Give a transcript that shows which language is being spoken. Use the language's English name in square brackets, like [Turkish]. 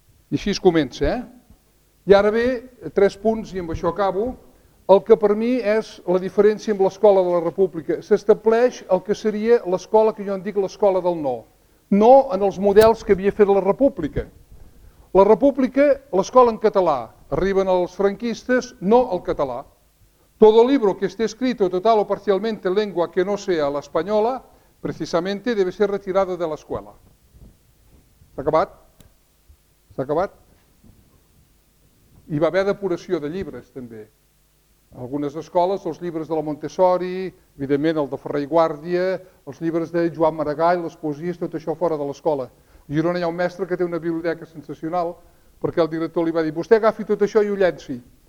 [Catalan] I així es comença, eh? I ara ve, tres punts, i amb això acabo, el que per mi és la diferència amb l'escola de la República. S'estableix el que seria l'escola que jo en dic l'escola del no. No en els models que havia fet la República. La República, l'escola en català, arriben els franquistes, no el català. [Spanish] Todo libro que esté escrito total o parcialmente en lengua que no sea la española, precisamente debe ser retirado de la escuela. [Catalan] S'ha acabat? S'ha acabat? Hi va haver depuració de llibres, també. A algunes escoles, els llibres de la Montessori, evidentment el de Ferrer i Guàrdia, els llibres de Joan Maragall, les poesies, tot això fora de l'escola. A Girona hi ha un mestre que té una biblioteca sensacional perquè el director li va dir, vostè agafi tot això i ho llenci.